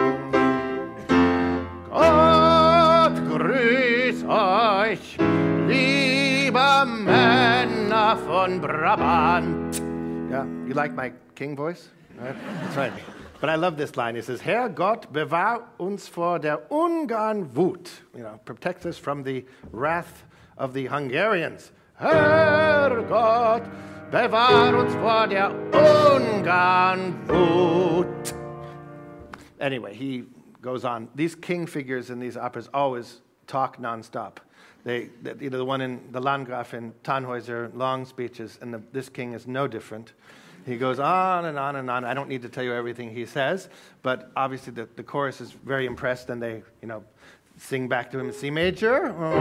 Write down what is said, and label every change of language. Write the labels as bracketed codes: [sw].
[de] Gott grüß euch, liebe Männer von Brabant. [en] Yeah, you like my king voice? That's right. But I love this line. It says, [de] Herr Gott bewahr uns vor der Ungarn Wut. [en] You know, protect us from the wrath of the Hungarians. [de] Herr Gott bewahr uns vor der Ungarn Wut. [en] Anyway, he goes on. These king figures in these operas always talk nonstop. The one in the Landgraf in Tannhäuser, long speeches, and this king is no different. He goes on and on and on. I don't need to tell you everything he says, but obviously the chorus is very impressed and they, you know, sing back to him in C major.